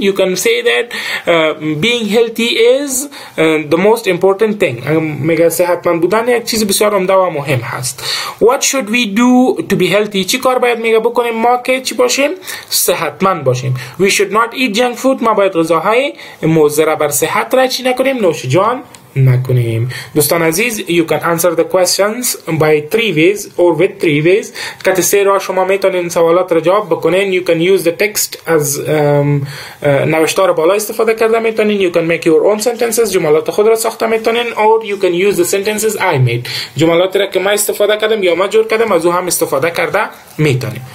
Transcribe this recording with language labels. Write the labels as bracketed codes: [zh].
[en] You can say that being healthy is the most important thing، [fa] میگه صحتمند بودن یک چیز بسیار عمده و مهم هست. [en] What should we do to be healthy، [fa] چی کار باید میگه بکنیم ما که چی باشیم؟ صحتمند باشیم. [en] We should not eat junk food، [fa] ما باید غذاهای مضر بر صحت را چی نکنیم؟ نوش جان نکنیم. دوستان عزیز، [en] you can answer the questions by three ways or with three ways. [fa] کتی سه راه شما میتونین سوالات را جواب بکنین. [en] You can use the text [fa] از نوشتار بالا استفاده کرده میتونین. [en] You can make your own sentences، [fa] جملات خود را ساخته میتونین. [en] Or you can use the sentences I made، [fa] جملات را که ما استفاده کردم یا ما جور کردم از او هم استفاده کرده میتونین.